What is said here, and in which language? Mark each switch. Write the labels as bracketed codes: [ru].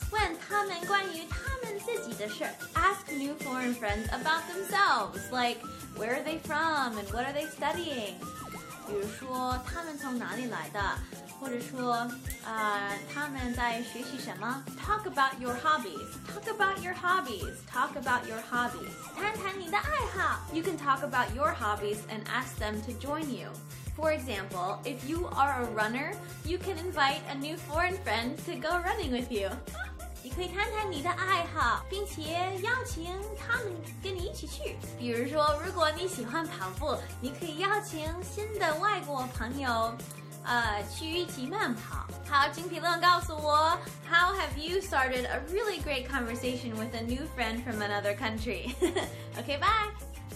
[zh] 问他们关于他们自己的事。 [en] Ask new foreign friends about themselves, like where are they from and what are they studying? [zh] 比如说他们从哪里来的，或者说他们在学习什么。 [en] Talk about your hobbies. [zh] 谈谈你的爱好。 [en] You can talk about your hobbies and ask them to join you. For example, if you are a runner, you can invite a new foreign friend to go running with you. [zh] 你可以谈谈你的爱好，并且邀请他们跟你一起去。比如说，如果你喜欢跑步，你可以邀请新的外国朋友去一起慢跑。好，请评论告诉我 [en] ，How have you started a really great conversation with a new friend from another country? Okay, bye.